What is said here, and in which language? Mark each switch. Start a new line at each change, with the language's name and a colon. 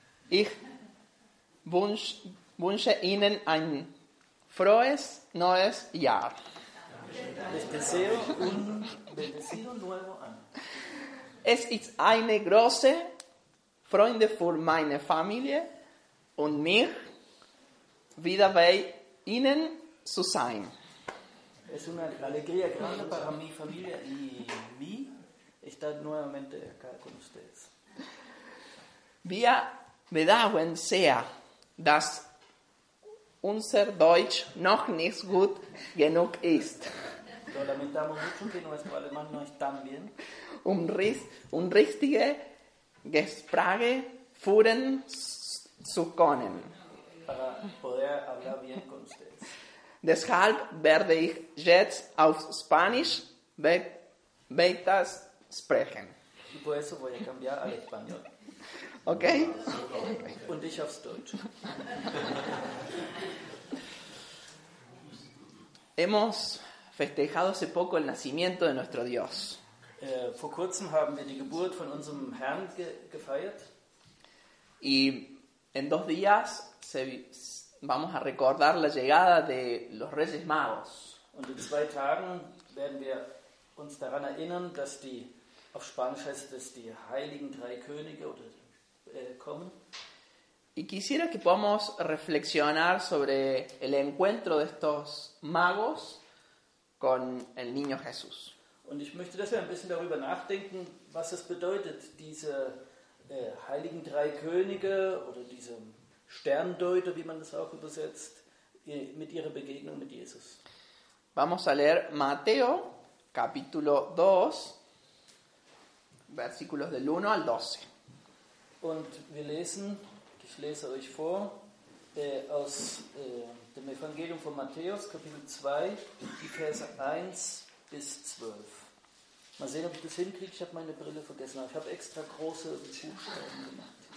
German: Ich wünsche Ihnen ein frohes neues Jahr.
Spanish: Les deseo un bendecido nuevo año.
German: Es ist eine große Freude für meine Familie und mich, wieder bei Ihnen zu sein.
Spanish: Es una alegría grande para mi familia y mí estar nuevamente acá con ustedes.
German: Wir bedauern sehr, dass unser Deutsch noch nicht gut genug ist.
Spanish: Lo lamentamos mucho que nuestro alemán no es tan bien.
German: Un richtige Gespräche führen zu können.
Spanish: Para poder hablar bien con ustedes.
German: Deshalb werde ich jetzt auf Spanisch weiter sprechen.
Spanish: Y por eso voy a cambiar al español. Okay.
German: Und ich aufs Deutsch.
Spanish: Hemos festejado hace poco el nacimiento de nuestro Dios.
German: Vor kurzem haben wir die Geburt von unserem Herrn gefeiert.
Spanish: Y en dos días vamos a recordar la llegada de los Reyes Magos.
German: Und in zwei Tagen werden wir uns daran erinnern, dass die, auf Spanisch heißt es, die heiligen drei Könige oder, kommen.
Spanish: Y quisiera que podamos reflexionar sobre el encuentro de estos magos con el niño Jesús.
German: Und ich möchte deshalb ein bisschen darüber nachdenken, was es bedeutet, diese heiligen drei Könige oder diese Sterndeuter, wie man das auch übersetzt, mit ihrer Begegnung mit Jesus.
Spanish: Vamos a leer Mateo, capítulo 2, versículos del 1 al 12.
German: Und wir lesen, ich lese euch vor, aus dem Evangelium von Matthäus, Kapitel 2, die Verse 1 bis 12. Mal sehen, ob ich das hinkriege, ich habe meine Brille vergessen, aber ich habe extra große Buchstaben gemacht.